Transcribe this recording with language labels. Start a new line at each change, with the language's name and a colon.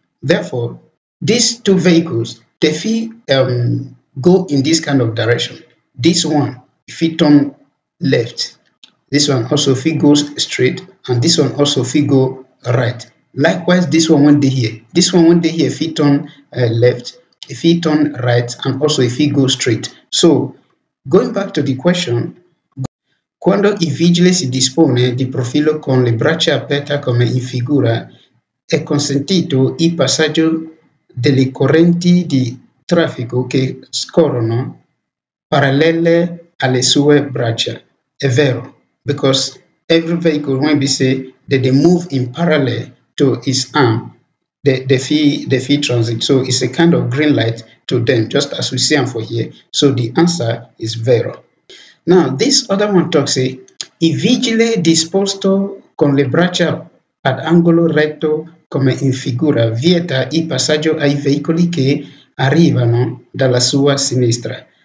English: Therefore, these two vehicles, they go in this kind of direction. This one, if it turn left, This one also, if it goes straight, and this one also, if it go right. Likewise, this one won't be here. This one won't be here if it turn left, if it turn right, and also if it goes straight. So, going back to the question,
Italian: quando il vigile si dispone di profilo con le braccia aperte come in figura, è consentito il passaggio delle correnti di traffico che scorrono parallele alle sue braccia. È vero,
English: because every vehicle, when we say that they move in parallel to its arm, the fee transit. So it's a kind of green light to them, just as we see them for here. So the answer is vero. Now, this other one talks,
Italian: I vigile disposto con le braccia ad angolo retto come in figura vieta il passaggio ai veicoli che arrivano dalla sua sinistra.